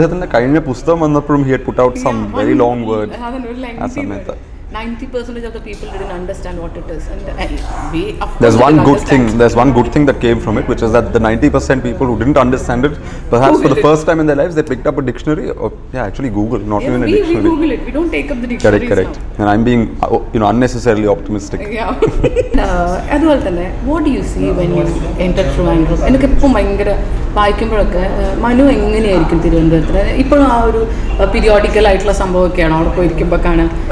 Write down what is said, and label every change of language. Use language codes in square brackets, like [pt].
[ml] അദ്ദേഹത്തിന്റെ കഴിഞ്ഞ പുസ്തകം വന്നപ്പോഴും [en] He had put out some very long word. [ml] ആ സമയത്ത് [en] 90% of the people didn't understand what it is, and we there's one good thing that came from it, which is that the 90% people who didn't understand it, perhaps Google for the first time in their lives, they picked up a dictionary or Google, not even a dictionary. We Google it, we don't take up the dictionary. Correct now. And I'm being unnecessarily optimistic. Yeah. [ml] Adu thane, [en] what do you see when you enter Travancore? [ml] Enakku ippo bayangara വായിക്കുമ്പോഴൊക്കെ Manu എങ്ങനെയായിരിക്കും തിരുവനന്തപുരത്തിൽ? ഇപ്പോഴും ആ ഒരു periodical ആയിട്ടുള്ള സംഭവമൊക്കെയാണ് അവിടെ പോയിരിക്കുമ്പോഴാണ്.